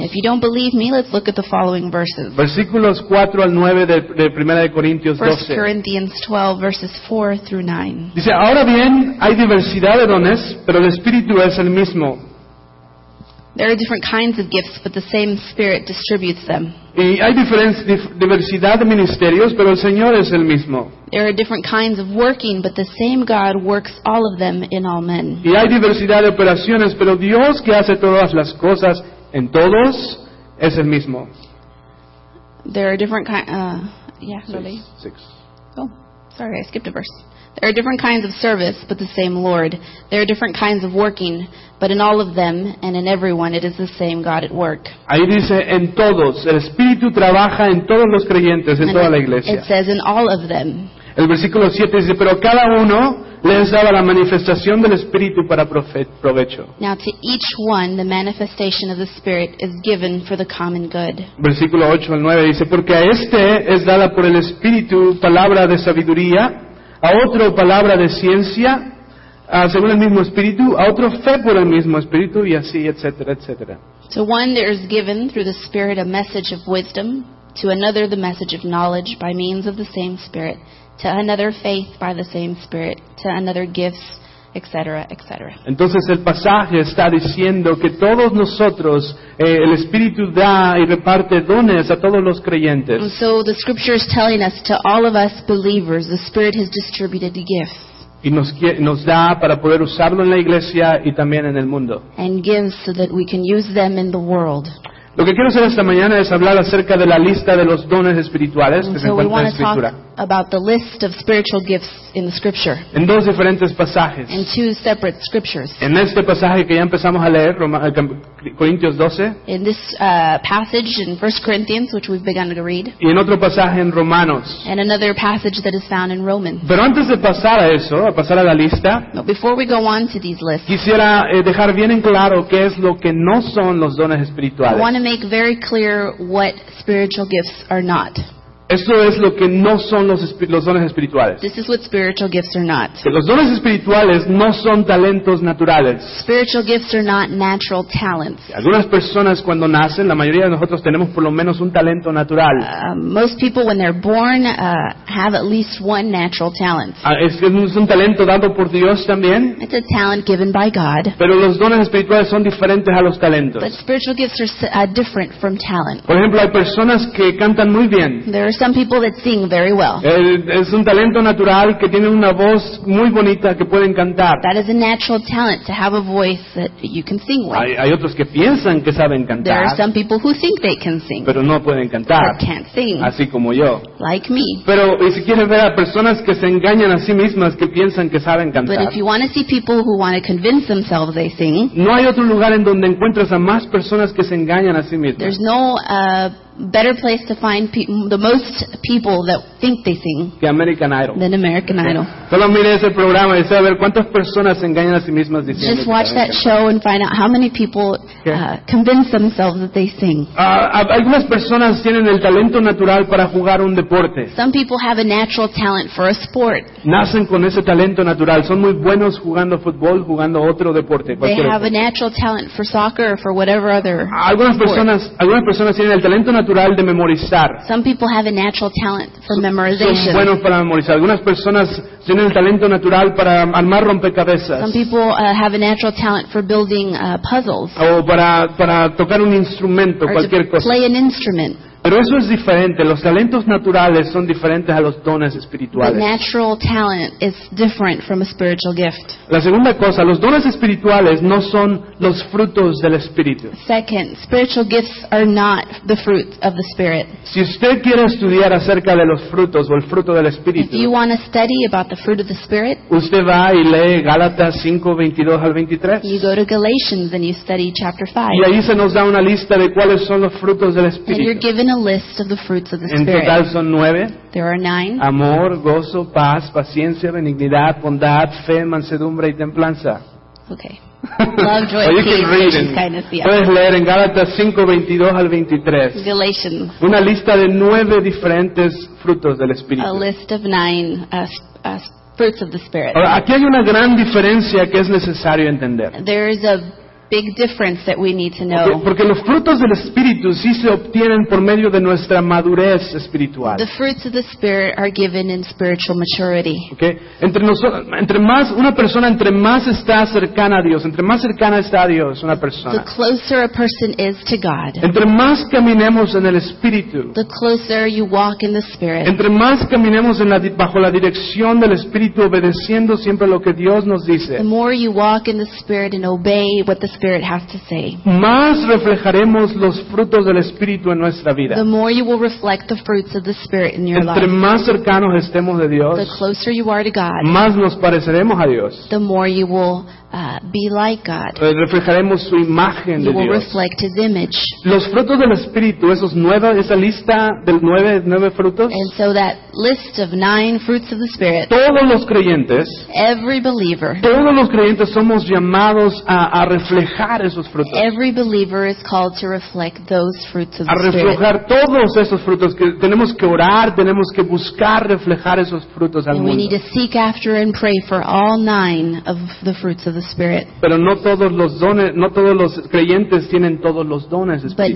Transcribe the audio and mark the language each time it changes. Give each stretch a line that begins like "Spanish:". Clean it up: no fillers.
English: If you don't believe me, let's look at the following verses.
Spanish: Versículos 4 al 9 de Primera de Corintios 12.
English: 1 Corinthians 12, verses 4 through 9.
Spanish: Dice, ahora bien, hay diversidad de dones, pero el Espíritu es el mismo.
English: There are different kinds of gifts, but the same Spirit distributes them.
Spanish: Y hay diversidad de ministerios, pero el Señor es el mismo.
English: There are different kinds of working, but the same God works all of them in all men.
Spanish: Y hay diversidad de operaciones, pero Dios que hace todas las cosas en todos es el mismo.
English: There are different I skipped a verse. There are different kinds of service, but the same Lord. There are different kinds of working, but in all of them and in everyone, it is the same God at work.
Spanish: Ahí dice, en todos. El Espíritu trabaja en todos los creyentes, en toda la iglesia.
English: It says, in all of them.
Spanish: El versículo 7 dice, pero cada uno les daba la manifestación del Espíritu para provecho.
English: Now to each one, the manifestation of the Spirit is given for the common good.
Spanish: Versículo 8 al 9 dice, porque a este es dada por el Espíritu palabra de sabiduría, a otro palabra de ciencia, según el mismo Espíritu, a otro fe por el mismo Espíritu, y así, etcétera, etcétera.
English: To one there is given through the Spirit a message of wisdom, to another the message of knowledge by means of the same Spirit, to another faith by the same Spirit, to another gifts, etc., etc.
Spanish: Entonces el pasaje está diciendo que todos nosotros, el Espíritu da y reparte dones a todos los creyentes.
English: And so the Scripture is telling us, to all of us believers, the Spirit has distributed the gifts.
Spanish: Y nos da para poder usarlo en la iglesia y también en el mundo.
English: And gives so that we can use them in the world.
Spanish: Lo que quiero hacer esta mañana es hablar acerca de la lista de los dones espirituales que se encuentra en la Escritura.
English: About the list of spiritual gifts in the Scripture.
Spanish: En dos diferentes pasajes.
English: In two separate scriptures.
Spanish: En este pasaje que ya empezamos a leer, Corintios 12.
English: In this passage in 1 Corinthians, which we've begun to read.
Spanish: Y en otro pasaje en Romanos.
English: And another passage that is found in Romans.
Spanish: Pero antes de pasar a eso, a pasar a la lista.
English: But before we go on to these lists.
Spanish: Quisiera dejar bien en claro qué es lo que no son los dones espirituales.
English: I want to make very clear what spiritual gifts are not.
Spanish: Eso es lo que no son los dones espirituales.
English: This is what spiritual gifts are not.
Spanish: Que los dones espirituales no son talentos naturales.
English: Spiritual gifts are not natural talents.
Spanish: Algunas personas cuando nacen, la mayoría de nosotros tenemos por lo menos un talento natural.
English: Most people when they're born have at least one natural talent.
Spanish: Es un talento dado por Dios también.
English: It's a talent given by God.
Spanish: Pero los dones espirituales son diferentes a los talentos.
English: But spiritual gifts are different from talent.
Spanish: Por ejemplo, hay personas que cantan muy bien.
English: There are some people that sing very well.
Spanish: Es un talento natural que tiene una voz muy bonita que pueden cantar.
English: That is a natural talent to have a voice that you can sing with.
Spanish: Hay otros que piensan que saben cantar.
English: There are some people who think they can sing.
Spanish: Pero no pueden cantar.
English: But can't sing.
Spanish: Así como yo.
English: Like me.
Spanish: Pero si quieres ver a personas que se engañan a sí mismas que piensan que saben cantar.
English: But if you want to see people who want to convince themselves they sing.
Spanish: No hay otro lugar en donde encuentras a más personas que se engañan a sí mismas.
English: There's no better place to find the most people that think they sing American Idol. Than American Idol.
Spanish: Solo mire ese programa y sabe cuántas personas se engañan a sí mismas diciendo.
English: Just watch that show and find out how many people convince themselves that they sing.
Spanish: Algunas personas tienen el talento natural para jugar un deporte.
English: Some people have a natural talent for a sport.
Spanish: Nacen con ese talento natural, son muy buenos jugando fútbol, jugando otro deporte.
English: They have a natural talent for soccer or for whatever other.
Spanish: Algunas personas tienen el talento natural de memorizar.
English: Some people have a natural talent for memorization.
Spanish: Son buenos para memorizar. Algunas personas tienen el talento natural para armar rompecabezas.
English: Some people have a natural talent for building puzzles.
Spanish: O para tocar un instrumento,
English: or
Spanish: cualquier
English: to
Spanish: cosa.
English: Play an instrument.
Spanish: Pero eso es diferente. Los talentos naturales son diferentes a los dones espirituales.
English: The natural talent is different from a spiritual gift.
Spanish: La segunda cosa, los dones espirituales no son los frutos del Espíritu.
English: Second, spiritual gifts are not the fruit of the Spirit.
Spanish: Si usted quiere estudiar acerca de los frutos o el fruto del Espíritu,
English: if you want to study about the fruit of the Spirit,
Spanish: usted va y lee Gálatas 5:22-23.
English: You go to Galatians and you study chapter 5.
Spanish: Y ahí se nos da una lista de cuáles son los frutos del Espíritu.
English: A list of the fruits of the
Spanish: en
English: Spirit.
Spanish: Total son nueve.
English: There are nine.
Spanish: Amor, gozo, paz, paciencia, benignidad, bondad, fe, mansedumbre y templanza.
English: Okay. Love, joy, peace, kindness.
Spanish: Puedes leer en Gálatas 5:22-23.
English: Galatians.
Spanish: Una lista de nueve diferentes frutos del Espíritu.
English: A list of nine fruits of the Spirit.
Spanish: Ahora, aquí hay una gran diferencia que es necesario entender.
English: There is a big difference that we need to know.
Spanish: Porque los frutos del Espíritu sí se obtienen por medio de nuestra madurez espiritual.
English: The fruits of the Spirit are given in spiritual maturity. Okay.
Spanish: Entre más está cercana a Dios, entre más cercana está a Dios una persona.
English: The closer a person is to God.
Spanish: Entre más caminemos en el Espíritu.
English: The closer you walk in the Spirit.
Spanish: Entre más caminemos bajo la dirección del Espíritu, obedeciendo siempre lo que Dios nos dice.
English: The more you walk in the Spirit and obey what the Spirit has to say.
Spanish: Más reflejaremos los frutos del Espíritu en nuestra vida.
English: The more you will reflect the fruits of the Spirit in your
Spanish: entre Entre más cercanos estemos de Dios,
English: the closer you are to God,
Spanish: más nos pareceremos a Dios.
English: The more you will be like God.
Spanish: Reflejaremos su imagen
English: you
Spanish: de
English: will
Spanish: Dios.
English: Reflect His image.
Spanish: Los frutos del Espíritu, esa lista de nueve frutos.
English: And so that list of nine fruits of the Spirit.
Spanish: Todos los creyentes.
English: Every believer.
Spanish: Todos los creyentes somos llamados a reflejar reflejar esos frutos.
English: Every believer is called to reflect those fruits of the Spirit.
Spanish: A reflejar todos esos frutos que tenemos que orar, tenemos que buscar reflejar esos frutos al mundo.
English: We need to seek after and pray for all nine of the fruits of the Spirit.
Spanish: Pero no todos los dones, no todos los creyentes tienen todos los dones espirituales.